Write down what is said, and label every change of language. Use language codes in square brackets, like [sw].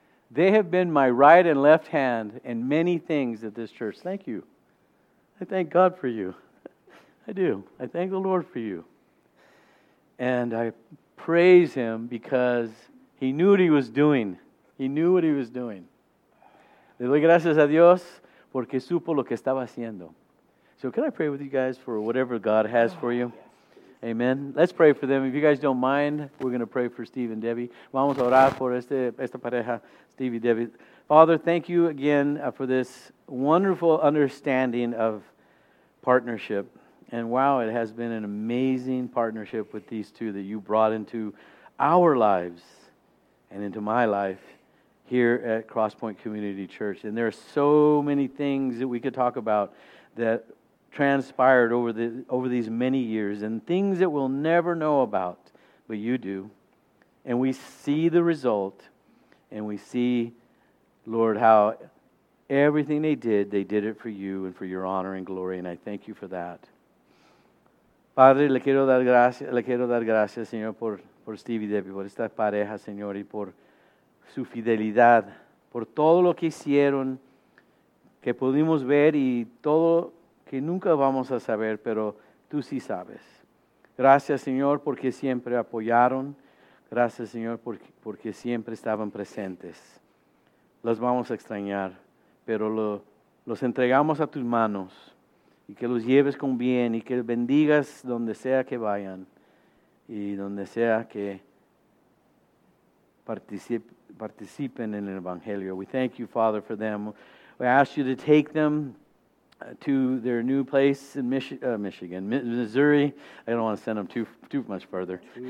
[en] They have been my right and left hand in many things at this church. Thank you. I thank God for you. I do. I thank the Lord for you. And I praise Him because He knew what He was doing. He knew what He was doing. [es] Le doy gracias a Dios porque supo lo que estaba haciendo. [en] So can I pray with you guys for whatever God has for you? Amen. Let's pray for them. If you guys don't mind, we're going to pray for Steve and Debbie. [es] Vamos a orar por esta pareja, Steve y Debbie. [en] Father, thank you again for this wonderful understanding of partnership. And wow, it has been an amazing partnership with these two that you brought into our lives and into my life here at Crosspoint Community Church. And there are so many things that we could talk about that transpired over these many years, and things that we'll never know about, but you do. And we see the result, and we see, Lord, how everything they did it for you and for your honor and glory, and I thank you for that. [es] Padre, le quiero dar gracias, Señor, por Steve y Debbie, por esta pareja, Señor, y por su fidelidad, por todo lo que hicieron, que pudimos ver, y todo que nunca vamos a saber, pero tú sí sabes. Gracias, Señor, porque siempre apoyaron. Gracias, Señor, porque siempre estaban presentes. Los vamos a extrañar, pero los entregamos a tus manos. y que los lleves con bien y que bendigas donde sea que vayan y donde sea que participen en el Evangelio. [en] We thank you, Father, for them. We ask you to take them to their new place in Michigan, Missouri. I don't want to send them too much further.